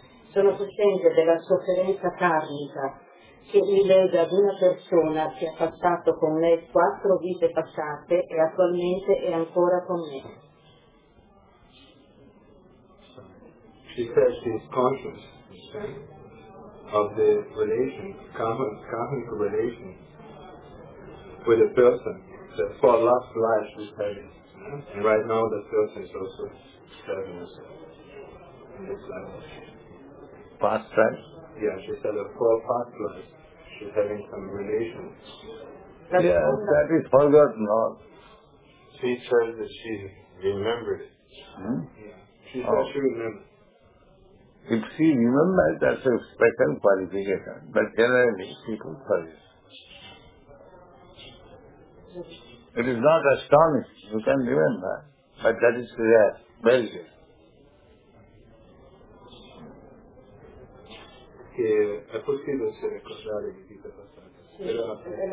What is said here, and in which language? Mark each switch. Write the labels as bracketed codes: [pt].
[it] Sono cosciente della sofferenza karmica che mi lega ad una persona che ha passato con me quattro vite passate e attualmente è ancora con me. [en] She says she is conscious, okay, of the relation, karmic relation with a person that for last life she's having. And right now the person is also having us in this life. Past life? Yeah, she said that for past life she's having some relation. That is forgotten now. She says that she remembered. Yeah. She says she remembered. If she remembers, that's a special qualification, but generally people forget. It is not astonishing, you can remember, but that is rare, very rare. [it] Che è possibile se ricordare di vita passata?